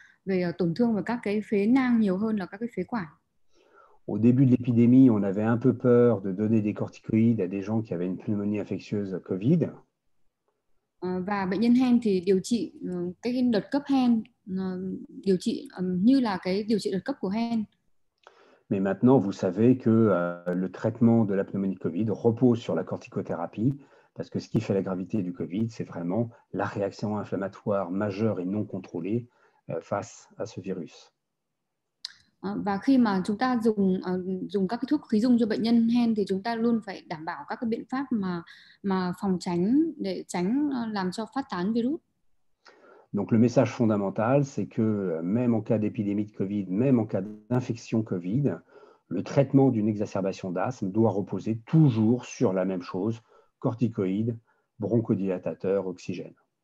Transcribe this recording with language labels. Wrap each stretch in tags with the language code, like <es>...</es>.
<vi>về tổn thương và các cái phế nang nhiều hơn là các cái phế quản.</vi> <fr>Au début de l'épidémie, on avait un peu peur de donner des corticoïdes à des gens qui avaient une pneumonie infectieuse COVID.</fr> <vi>Và bệnh nhân hen thì điều trị cái đợt cấp hen điều trị như là cái điều trị đợt cấp của hen.</vi> <fr>Mais maintenant, vous savez que le traitement de la pneumonie COVID repose sur la corticothérapie, parce que ce qui fait la gravité du COVID, c'est vraiment la réaction inflammatoire majeure et non contrôlée face à ce virus.</fr> <vi>Và khi mà chúng ta dùng dùng các cái thuốc khí dung cho bệnh nhân hen thì chúng ta luôn phải đảm bảo các cái biện pháp mà phòng tránh để tránh làm cho phát tán virus.</vi> <fr>Donc le message fondamental, c'est que même en cas d'épidémie de COVID, même en cas d'infection COVID, le traitement d'une exacerbation d'asthme doit reposer toujours sur la même chose, corticoïdes, bronchodilatateurs, oxygène.</fr>